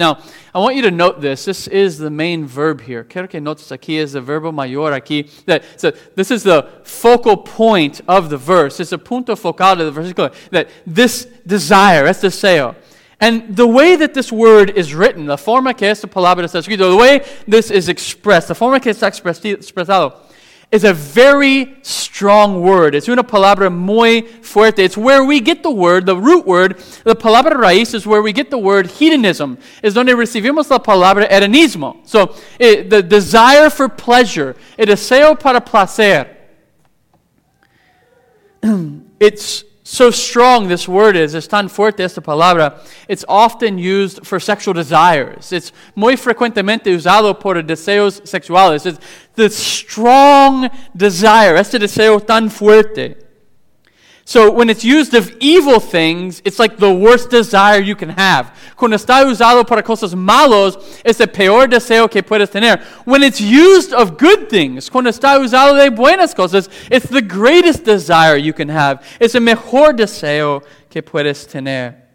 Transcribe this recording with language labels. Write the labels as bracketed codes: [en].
[en] Now, I want you to note this. This is the main verb here. [es] Quiero que notes aquí es el verbo mayor aquí. [en] This is the focal point of the verse. [es] It's a punto focal de la versículo. [en] That this desire, [es] es deseo. [en] And the way that this word is written, [es] la forma que esta palabra está escrito, [en] the way this is expressed, [es] la forma que está expresado, [en] is a very strong word. [es] It's una palabra muy fuerte. [en] It's where we get the word, the root word, the [es] palabra raíz [en] is where we get the word hedonism. [es] Es donde recibimos la palabra hedonismo. [en] So, the desire for pleasure, [es] el deseo para placer. [en] It's so strong, this word is. [es] Es tan fuerte esta palabra. [en] It's often used for sexual desires. [es] It's muy frecuentemente usado por deseos sexuales. [en] It's the strong desire. [es] Este deseo tan fuerte. [en] So when it's used of evil things, it's like the worst desire you can have. [es] Cuando está usado para cosas malos, es el peor deseo que puedes tener. [en] When it's used of good things, [es] cuando está usado de buenas cosas, [en] it's the greatest desire you can have. [es] Es el mejor deseo que puedes tener.